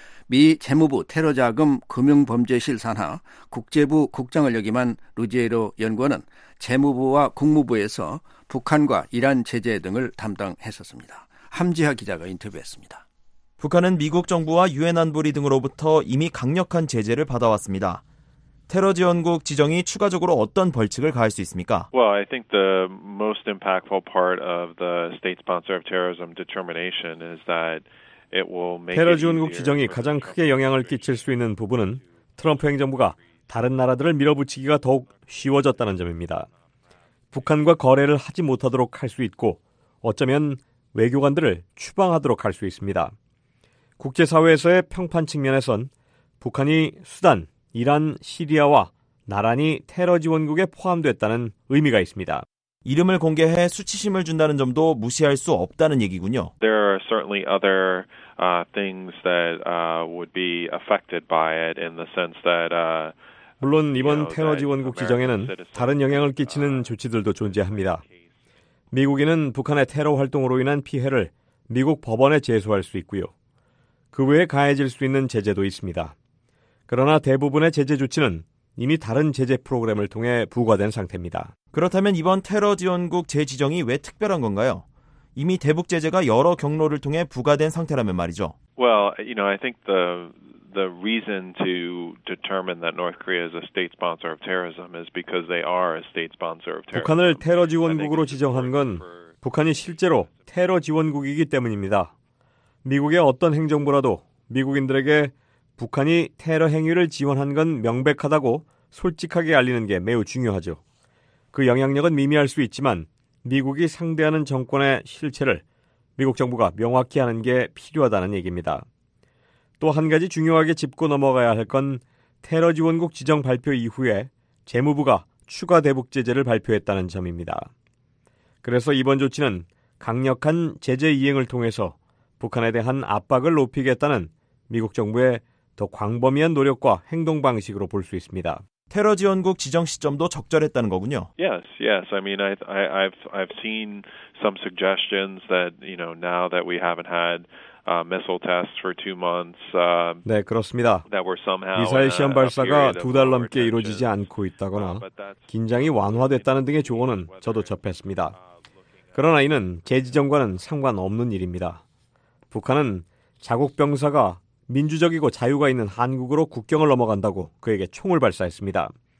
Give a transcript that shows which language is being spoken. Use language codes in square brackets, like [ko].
[ko] 미 재무부 테러자금 금융범죄실 산하 국제부 국장을 역임한 루지에로 연구원은 재무부와 국무부에서 북한과 이란 제재 등을 담당했었습니다. 함지하 기자가 인터뷰했습니다. 북한은 미국 정부와 유엔 안보리 등으로부터 이미 강력한 제재를 받아왔습니다. 테러 지원국 지정이 추가적으로 어떤 벌칙을 가할 수 있습니까? [en] Well, I think the most impactful part of the state sponsor of terrorism determination is that it will make [ko] 테러 지원국 지정이 가장 크게 영향을 끼칠 수 있는 부분은 트럼프 행정부가 다른 나라들을 밀어붙이기가 더욱 쉬워졌다는 점입니다. 북한과 거래를 하지 못하도록 할 수 있고 어쩌면 외교관들을 추방하도록 할 수 있습니다. 국제사회에서의 평판 측면에선 북한이 수단, 이란, 시리아와 나란히 테러 지원국에 포함됐다는 의미가 있습니다. 이름을 공개해 수치심을 준다는 점도 무시할 수 없다는 얘기군요. [en] There are certainly other things that would be affected by it in the sense that [ko] 물론 이번 테러 지원국 지정에는 다른 영향을 끼치는 조치들도 존재합니다. 미국인은 북한의 테러 활동으로 인한 피해를 미국 법원에 제소할 수 있고요. 그 외에 가해질 수 있는 제재도 있습니다. 그러나 대부분의 제재 조치는 이미 다른 제재 프로그램을 통해 부과된 상태입니다. 그렇다면 이번 테러 지원국 재지정이 왜 특별한 건가요? 이미 대북 제재가 여러 경로를 통해 부과된 상태라면 말이죠. [en] Well, you know, I think the reason to determine that North Korea is a state sponsor of terrorism is because they are a state sponsor of terrorism. [ko] 북한을 테러 지원국으로 지정한 건 북한이 실제로 테러 지원국이기 때문입니다. 미국의 어떤 행정부라도 미국인들에게 북한이 테러 행위를 지원한 건 명백하다고 솔직하게 알리는 게 매우 중요하죠. 그 영향력은 미미할 수 있지만 미국이 상대하는 정권의 실체를 미국 정부가 명확히 하는 게 필요하다는 얘기입니다. 또 한 가지 중요하게 짚고 넘어가야 할 건 테러 지원국 지정 발표 이후에 재무부가 추가 대북 제재를 발표했다는 점입니다. 그래서 이번 조치는 강력한 제재 이행을 통해서 북한에 대한 압박을 높이겠다는 미국 정부의 더 광범위한 노력과 행동 방식으로 볼 수 있습니다. 테러 지원국 지정 시점도 적절했다는 거군요. [en] Yes, yes. I mean, I've seen some suggestions that, you know, now that we haven't had missile tests for 2 months. [ko] 네, 그렇습니다. 미사일 시험 발사가 두 달 넘게 이루어지지 않고 있다거나 긴장이 완화됐다는 등의 조언은 저도 접했습니다. 그러나 이는 재지정과는 상관없는 일입니다. 북한은 자국 병사가 민주적이고 자유가 있는 한국으로 국경을 넘어간다고 그에게 총을 발사했습니다.